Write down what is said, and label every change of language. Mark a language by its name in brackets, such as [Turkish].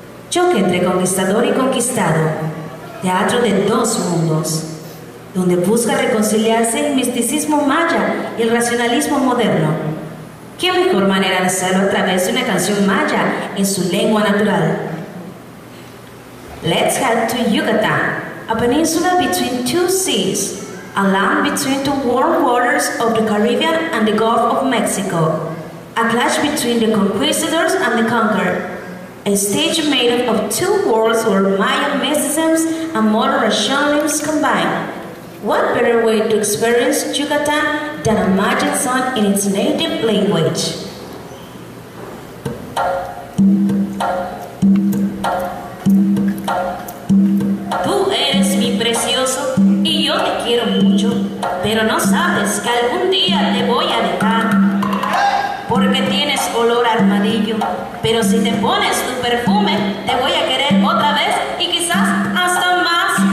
[Spanish] Choque entre conquistador y conquistado, teatro de dos mundos, donde busca reconciliarse el misticismo maya y el racionalismo moderno. ¿Qué mejor manera de hacerlo a través de una canción maya en su lengua natural? [English] Let's head to Yucatán, a peninsula between two seas, a land between the warm waters of the Caribbean and the Gulf of Mexico, a clash between the conquistadors and the conquered, a stage made up of two worlds where Mayan mysticism and modern rationalism combine. What better way to experience Yucatán than a magic song in its native language? [Spanish] Tú eres mi precioso y yo te quiero mucho, pero no sabes que algún día te voy a dejar. Porque tienes olor a armadillo, pero si te pones tu perfume, te voy a querer otra vez y quizás hasta más.